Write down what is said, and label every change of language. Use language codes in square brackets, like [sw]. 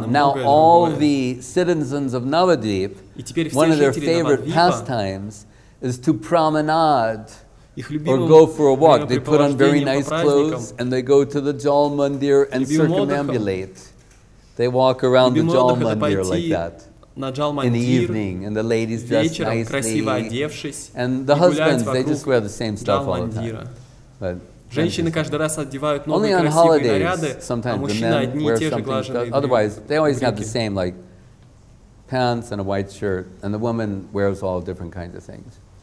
[en] Now all the citizens of Navadvip, one of their favorite pastimes is to promenade or go for a walk. They put on very nice clothes and they go to the Jal Mandir and circumambulate. They walk around the Jal Mandir like that. In the evening, and the ladies dress nicely, and the husbands, they just wear the same stuff all the time. But [ru] женщины каждый раз одевают новые красивые наряды, а мужчины одни и те же глаженные. [en] Otherwise, they always have the same like pants and a white shirt, and the woman wears all different kinds of things.